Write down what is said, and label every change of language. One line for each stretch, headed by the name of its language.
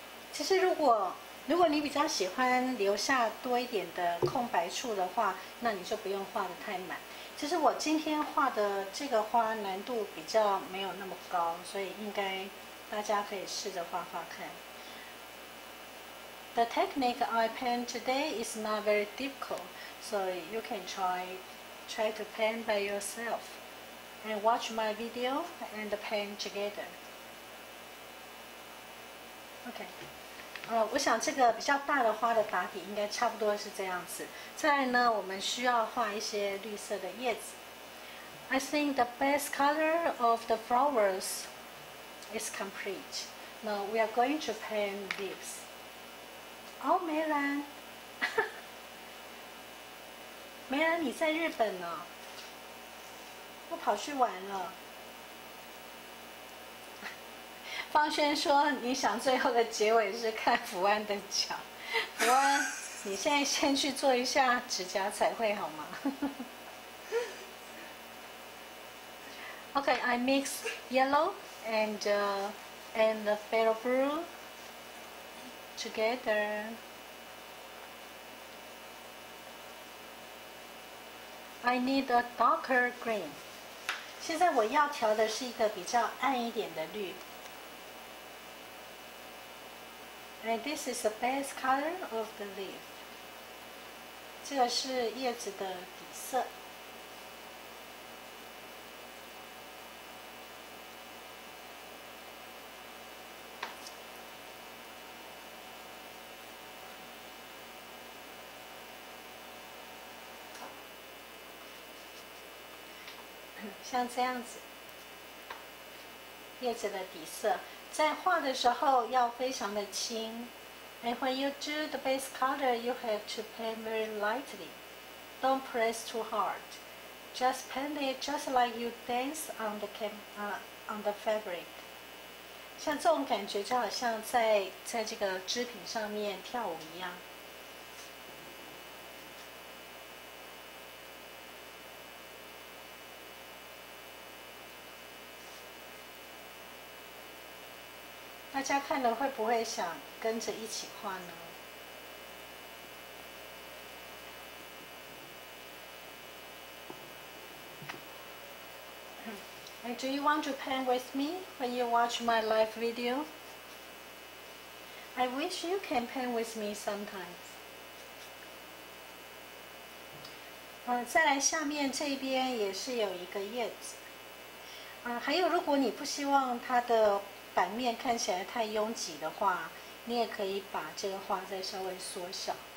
Chinese: 其实如果你比较喜欢留下多一点的空白处的话，那你就不用画得太满。其实我今天画的这个花难度比较没有那么高，所以应该大家可以试着画画看。
English: The technique I paint today is not very difficult, so you can try to paint by yourself and watch my video and paint together. Okay.
Chinese: 我想这个比较大的花的打底应该差不多是这样子。再来呢，我们需要画一些绿色的叶子。
English: I think the best color of the flowers is complete. Now we are going to paint leaves. Oh, Mei-Lan.
Chinese: Mei-Lan, 你在日本呢？我跑去玩了。方轩说：“你想最后的结尾是看福安的脚，福安，你现在先去做一下指甲彩绘好吗？”
English: Okay, I mix yellow and the pale blue together. I need a darker green.
Chinese: 现在我要调的是一个比较暗一点的绿。
English: And this is the base color of the leaf.
Chinese: 这个是叶子的底色。像这样子，叶子的底色。在画的时候要非常的轻
English: ，and when you do the base color, you have to paint very lightly. Don't press too hard. Just paint it just like you dance on the fabric.
Chinese: 像这种感觉就好像在这个织品上面跳舞一样。大家看了会不会想跟着一起画呢？
English: And do you want to paint with me when you watch my live video? I wish you can paint with me sometimes.
Chinese: 再来下面这边也是有一个叶子。还有如果你不希望它的版面看起来太拥挤的话，你也可以把这个花再稍微缩小。